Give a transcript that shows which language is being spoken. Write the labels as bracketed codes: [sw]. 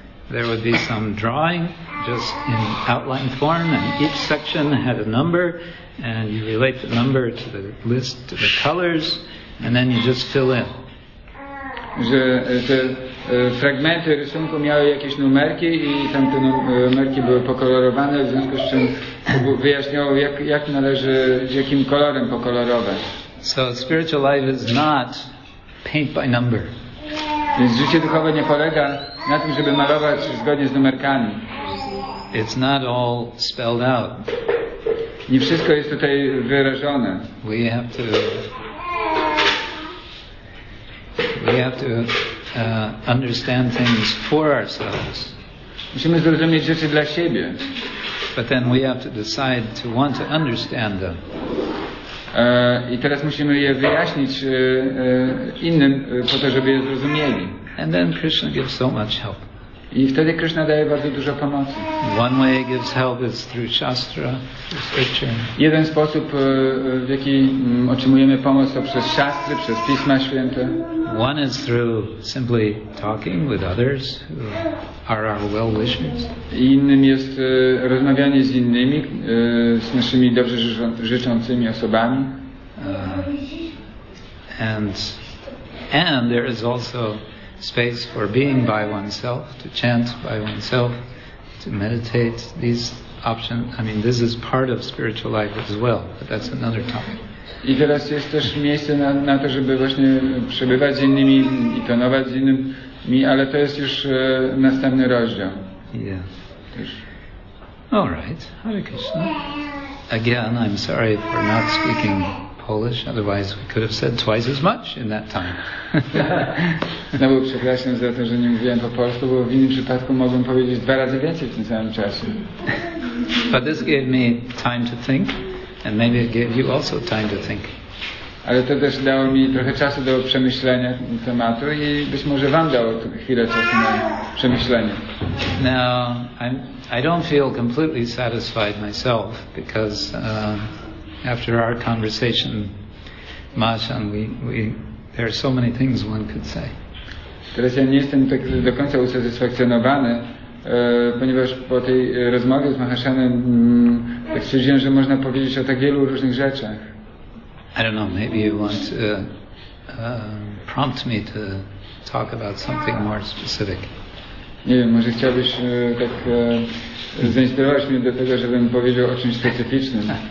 [en] There would be some drawing just in outline form, and each section had a number, and you relate the number to the list, to the colors, and then you just fill in. [pl] Że te fragmenty rysunku miały jakieś numerki i tamte numerki były pokolorowane, w związku z czym wyjaśniało, jak należy, z jakim kolorem pokolorować. [en] So spiritual life is not paint by number. [pl] Więc życie duchowe nie polega na tym, żeby malować zgodnie z numerkami. [en] It's not all spelled out. [pl] Nie wszystko jest tutaj wyrażone. [en] We have to understand things for ourselves. [pl] Musimy zrozumieć rzeczy dla siebie. [en] But then we have to decide to want to understand them. [pl] I teraz musimy je wyjaśnić innym po to, żeby je zrozumieli. [en] And then Krishna gives so much help. [pl] I wtedy Krishna daje bardzo dużo pomocy. [en] One way he gives help is through shastra, scripture. [pl] Jeden sposób, w jaki otrzymujemy pomoc, to przez szastry, przez Pisma Święte. [en] One is through simply talking with others who are our well-wishers. [pl] Innym jest rozmawianie z innymi, z naszymi dobrze życzącymi osobami. [en] And there is also space for being by oneself, to chant by oneself, to meditate. These options, I mean, this is part of spiritual life as well, but that's another topic. [pl] I teraz jest też miejsce na to, żeby właśnie przebywać z innymi i tonować z innymi, ale to jest już następny rozdział. [en] Yeah. [pl] Też. [en] All right. Hare Krishna. Again, I'm sorry for not speaking Polish, otherwise we could have said twice as much in that time. [pl] Znowu przepraszam za to, że nie mówiłem po polsku, bo w innym przypadku mogłem powiedzieć dwa razy więcej w tym samym czasie. [en] But this gave me time to think, and maybe it gave you also time to think. [pl] Ale to też dało mi trochę czasu do przemyślenia tematu i być może wam dało chwilę czasu na przemyślenie. [en] Now, I don't feel completely satisfied myself, because after our conversation, Mahashan, there are so many things one could say. [pl] Teraz ja nie jestem tak do końca usatysfakcjonowany, ponieważ po tej rozmowie z Mahashanem tak stwierdziłem, że można powiedzieć o tak wielu różnych rzeczach. [en] I don't know, maybe you want to prompt me to talk about something more specific. [pl] Nie wiem, może chciałbyś tak zainspirować mnie do tego, żebym powiedział o czymś specyficznym.